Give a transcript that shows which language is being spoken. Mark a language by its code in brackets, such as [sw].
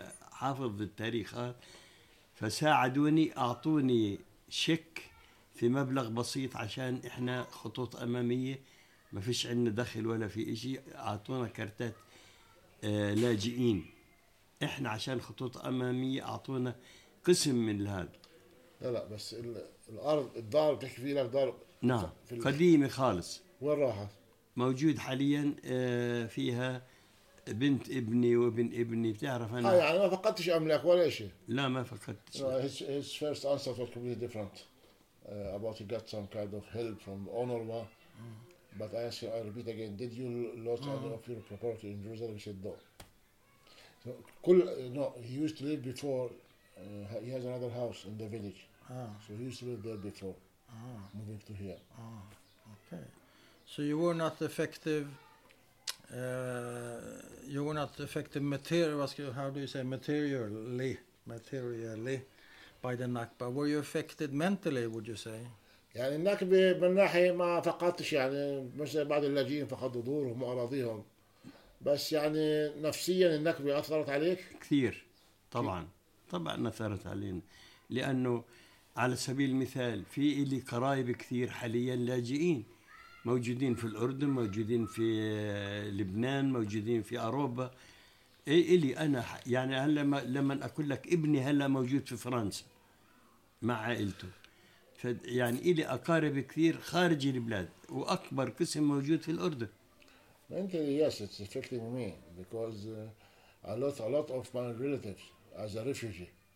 [ar] حافظ التاريخ فساعدوني أعطوني شيك في مبلغ بسيط عشان إحنا خطوط أمامية ما فيش عندنا دخل ولا في إشي أعطونا كرتات لاجئين احنا عشان خطوط اماميه اعطونا قسم من هذا لا بس الارض الدار تحكي فيها الدار نعم في قديمه خالص وين راحت موجود حاليا فيها بنت ابني وابن ابني بتعرف انا يعني ما فقدتش املاك ولا شيء لا ما فقدتش [en] his first answer was completely different about he got some kind of help from honorable But I ask you, I repeat again, did you lose any of your property in Jerusalem? He said, no. So, he used to live before, he has another house in the village. So he used to live there before, moving to here. Okay. So you were not effective You were not affected materially, how do you say, materially by the Nakba. Were you affected mentally, would you say? [ar] يعني النكبة من ناحية ما فقدتش يعني مش بعض اللاجئين فقدوا دورهم وأراضيهم بس يعني نفسيا النكبة أثرت عليك؟ كثير طبعا طبعا أثرت علينا لأنه على سبيل المثال في إلي قرايب كثير حاليا لاجئين موجودين في الأردن موجودين في لبنان موجودين في أوروبا أي إلي أنا يعني هلا لما أقول لك ابني هلا موجود في فرنسا مع عائلته يعني إلي أقارب كثير خارج البلاد وأكبر قسم موجود في الأردن. أنت [en] yes it's affecting me because a lot of my relatives as a refugee.